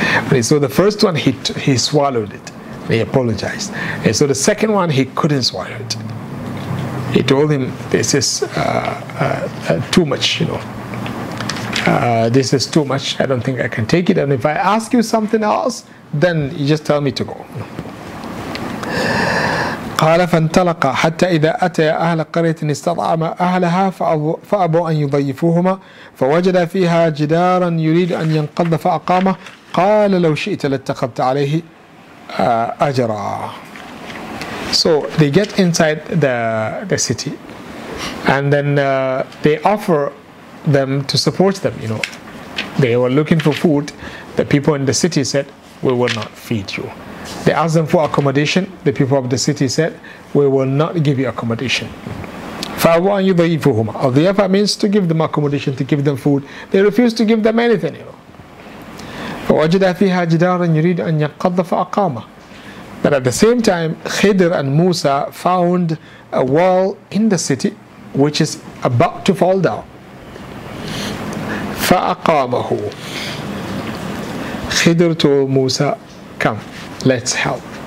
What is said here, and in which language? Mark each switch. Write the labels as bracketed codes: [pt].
[en] But so the first one, he swallowed it. He apologized. And so the second one, he couldn't swallow it. He told him, this is too much, you know. This is too much. I don't think I can take it. And if I ask you something else, then you just tell me to go. [ar] قال فانطلق حتى إذا أتيا أهل قرية استطعما أهلها فأبوا أن يضيفوهما فوجد فيها جدارا يريد أن ينقض فأقامه قال لو شئت لاتخذت عليه Ajra. [en] So they get inside the city, and then they offer them to support them. You know, they were looking for food. The people in the city said, "We will not feed you." They asked them for accommodation. The people of the city said, "We will not give you accommodation." [ar] Fa'awwan yudhayifuhuma. [en] Al-dhiyafa means to give them accommodation, to give them food. They refused to give them anything. You know. [ar] فوجد فيها جدارا يريد أن يقض فأقامه. [en] But at the same time, Khidr and Musa found a wall in the city which is about to fall down. [ar] فَأَقَامَهُ. [en] Khidr told Musa, come, let's help.